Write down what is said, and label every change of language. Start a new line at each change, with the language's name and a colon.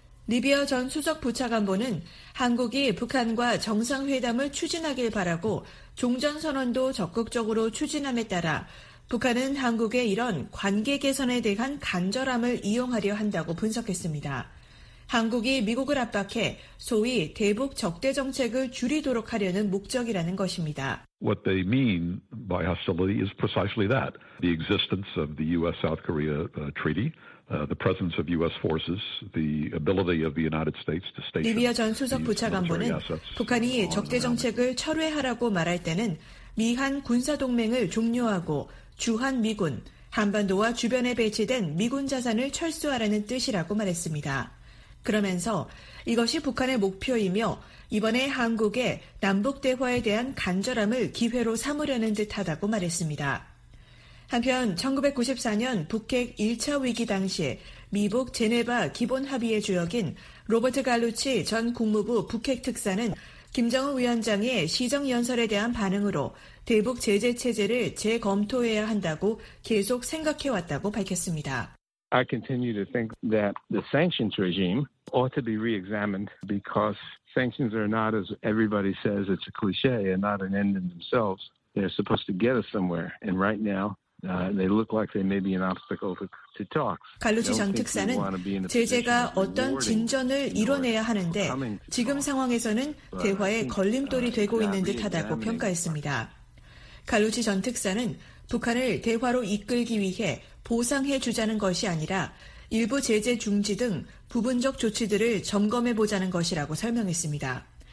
Korean: 리비아 전 수석 부차관보는 한국이 북한과 정상회담을 추진하길 바라고 종전선언도 적극적으로 추진함에 따라 북한은 한국의 이런 관계 개선에 대한 간절함을 이용하려 한다고 분석했습니다. 한국이 미국을 압박해 소위 대북 적대 정책을 줄이도록 하려는 목적이라는 것입니다.
English: What they mean by hostility is precisely that. The existence of the U.S.-South Korea treaty, the presence of U.S. forces, the ability of the United States to station.
Korean: 리비아 전 수석 부차관보는 북한이 적대 정책을 철회하라고 말할 때는 미한 군사 동맹을 종료하고 주한 미군, 한반도와 주변에 배치된 미군 자산을 철수하라는 뜻이라고 말했습니다. 그러면서 이것이 북한의 목표이며 이번에 한국의 남북 대화에 대한 간절함을 기회로 삼으려는 듯하다고 말했습니다. 한편 1994년 북핵 1차 위기 당시 미북 제네바 기본합의의 주역인 로버트 갈루치 전 국무부 북핵특사는 김정은 위원장의 시정연설에 대한 반응으로 대북 제재 체제를 재검토해야 한다고 계속 생각해왔다고 밝혔습니다.
English: I continue to think that the sanctions regime ought to be re-examined because sanctions are not, as everybody says, it's a cliche and not an end in themselves. They're supposed to get us somewhere. And right now, they look like they may be an obstacle to talks.
Korean: 갈루치 전 특사는 제재가 어떤 진전을 이뤄내야 하는데 지금 상황에서는 대화에 걸림돌이 되고 있는 듯하다고 평가했습니다. 갈루치 전 특사는 북한을 대화로 이끌기 위해 보상해 주자는 것이 아니라 일부 제재 중지 등 부분적 조치들을 점검해 보자는 것이라고 설명했습니다.